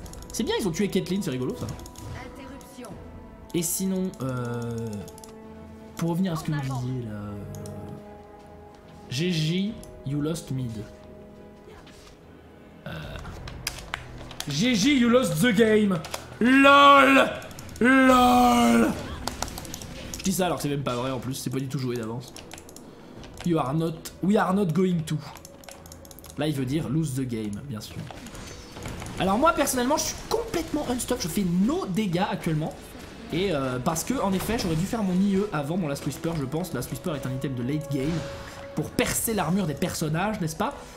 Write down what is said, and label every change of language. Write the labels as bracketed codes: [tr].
[fr] C'est bien, ils ont tué Caitlyn, c'est rigolo ça. Et sinon pour revenir à ce que vous disiez là, [en] GG, you lost mid. GG, you lost the game. LOL. LOL. [fr] Je dis ça alors que c'est même pas vrai en plus, c'est pas du tout joué d'avance. [en] You are not, we are not going to. [fr] Là il veut dire [en] lose the game, [fr] bien sûr. Alors moi personnellement je suis complètement unstop, je fais no dégâts actuellement. Et parce que en effet j'aurais dû faire mon IE avant mon Last Whisper, je pense. Last Whisper est un item de late game pour percer l'armure des personnages, n'est-ce pas?